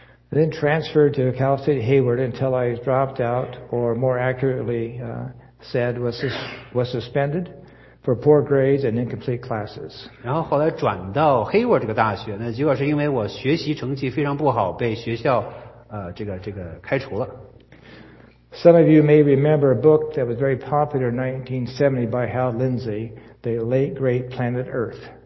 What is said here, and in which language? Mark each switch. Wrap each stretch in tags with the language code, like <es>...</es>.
<en>I then transferred to Cal State Hayward until I dropped out, or more accurately said, was suspended for poor grades and incomplete classes.</en> <zh>然后后来转到Hayward这个大学，那结果是因为我学习成绩非常不好，被学校开除了。</zh> <en>Some of you may remember a book that was very popular in 1970 by Hal Lindsey, The Late Great Planet Earth.</en>